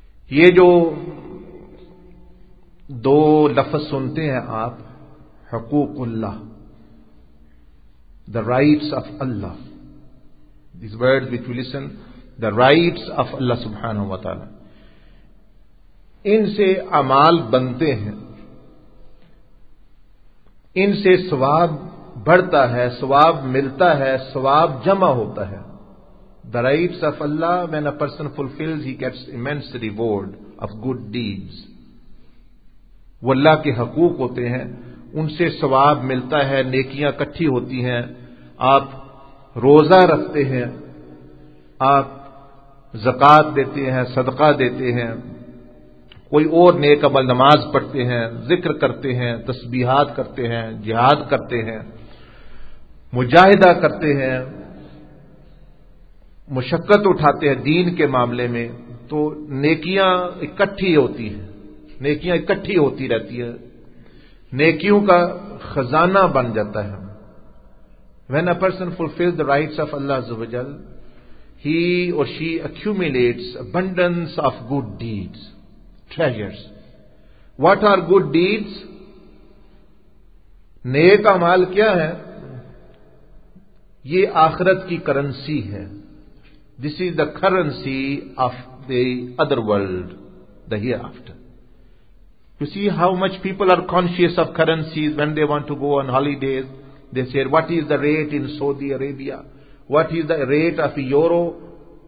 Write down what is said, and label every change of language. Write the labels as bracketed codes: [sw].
[ur] یہ جو دو لفظ سنتے ہیں آپ، حقوق اللہ، [en] the rights of Allah، [ur] these words which we listen، the rights of Allah سبحانہ و تعالی، ان سے اعمال بنتے ہیں، ان سے ثواب بڑھتا ہے، ثواب ملتا ہے، ثواب جمع ہوتا ہے. [en] The rights of Allah, when a person fulfills, he gets immense reward of good deeds. [ur] وہ اللہ کے حقوق ہوتے ہیں، ان سے ثواب ملتا ہے، نیکیاں کٹھی ہوتی ہیں. آپ روزہ رکھتے ہیں، آپ زکوٰۃ دیتے ہیں، صدقہ دیتے ہیں، کوئی اور نیک عمل، نماز پڑھتے ہیں، ذکر کرتے ہیں، تسبیحات کرتے ہیں، جہاد کرتے ہیں، مجاہدہ کرتے ہیں، مشقت اٹھاتے ہیں دین کے معاملے میں، تو نیکیاں اکٹھی ہوتی ہیں، نیکیاں اکٹھی ہوتی رہتی ہیں، نیکیوں کا خزانہ بن جاتا ہے. [en] When a person fulfills the rights of Allah عز و جل, he or she accumulates abundance of good deeds, treasures. What are good deeds? [ur] نیک اعمال کیا ہے؟ یہ آخرت کی کرنسی ہے. [en] This is the currency of the other world, the hereafter. You see how much people are conscious of currencies when they want to go on holidays. They said, what is the rate in Saudi Arabia? What is the rate of euro?